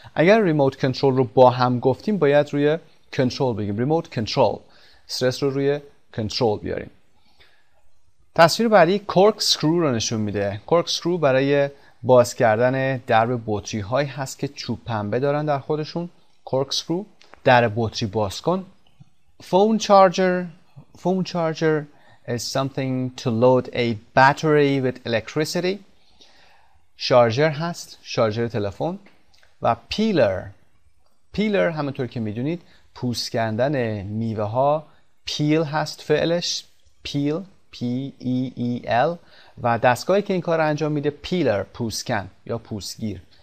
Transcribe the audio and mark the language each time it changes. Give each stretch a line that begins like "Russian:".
Persian: اگر ریموت کنترل رو با هم گفتیم باید روی کنترل بگیم ریموت کنترل. استرس رو روی کنترل بیاریم. تصویر بعدی کورک سکرو رو نشون میده. کورک سکرو برای باز کردن درب بطری هایی هست که چوب پنبه دارن در خودشون. کورک سکرو. در بطری باز کن.
English: Phone charger is something to load a battery with electricity.
Persian: شارژر هست. شارژر تلفن. و پیلر. پیلر همونطور که میدونید پوست کندن میوه ها پیل هست فعلش. پیل. P-E-E-L. و دستگاهی که این کار انجام میده پیلر پوسکن یا پوسگیر.